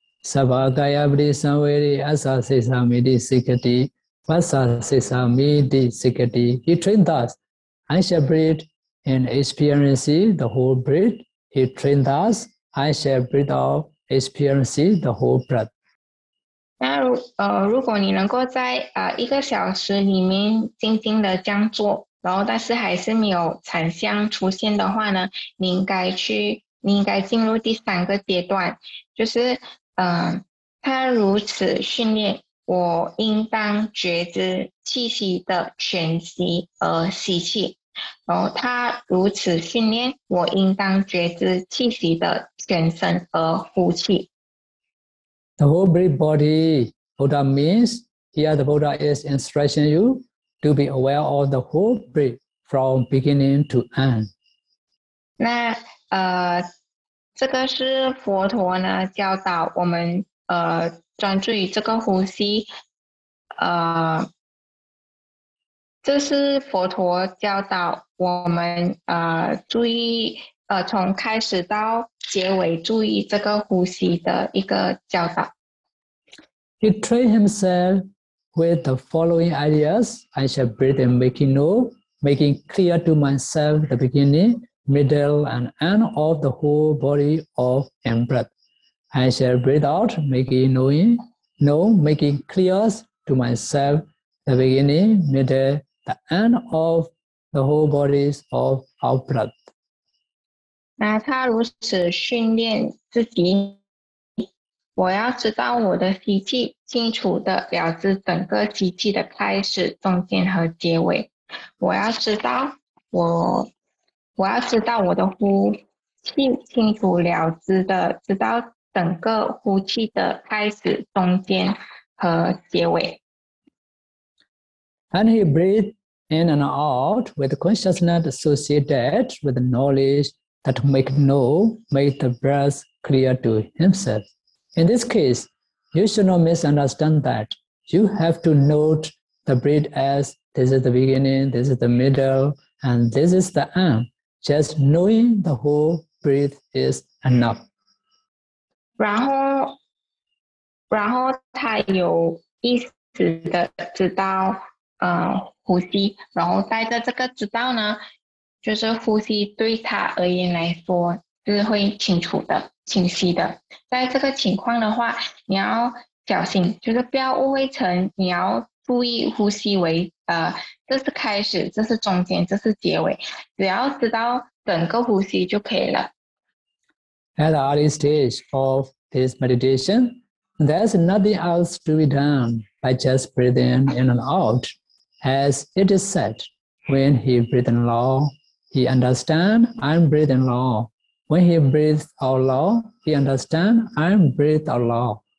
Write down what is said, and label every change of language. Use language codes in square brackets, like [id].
[pi] Sabhagaya vri samveri asa sesa midi sikati vasa sesa midi sikati. [en] He trained thus. I shall breathe in experience the whole breath. He trained thus. I shall breathe out experience the whole breath. [zh] 如果你能够在一个小时里面静静的这样做，然后但是还是没有产相出现的话呢，你应该进入第三个阶段，就是他如此训练，我应当觉知气息的全息而吸气。然后他如此训练，我应当觉知气息的全身而呼气。 [en] The whole breath body Buddha means here the Buddha is instructing you. To be aware of the whole breath from beginning to end. [zh] 那这个是佛陀呢教导我们专注于这个呼吸，这是佛陀教导我们注意从开始到结尾注意这个呼吸的一个教导。 [en] He trained himself. With the following ideas, I shall breathe in making know, making clear to myself the beginning, middle, and end of the whole body of in-breath. I shall breathe out, making knowing, know, making clear to myself the beginning, middle, the end of the whole bodies of out-breath. [zh] 那他如此训练自己。我要知道我的吸气，清楚地了知整个吸气的开始、中间和结尾。我要知道我的呼气，清楚了知的知道整个呼气的开始、中间和结尾。 [en] And he breathed in and out with consciousness associated with the knowledge that make know, make the breath clear to himself. In this case, you should not misunderstand that. You have to note the breath as this is the beginning, this is the middle, and this is the end. Just knowing the whole breath is enough. [zh] 然后他有意识的知道呼吸，然后带着这个知道呢，就是呼吸对他而言来说是会清楚的、清晰的。在这个情况的话，你要小心，就是不要误会成你要注意呼吸为这是开始，这是中间，这是结尾，只要知道整个呼吸就可以了。 [en] At the early stage of this meditation, there's nothing else to be done by just breathing in and out. As it is said, when he breathes in long, he understands I'm breathing long. When he breathes out long, he understands I'm breathing out long.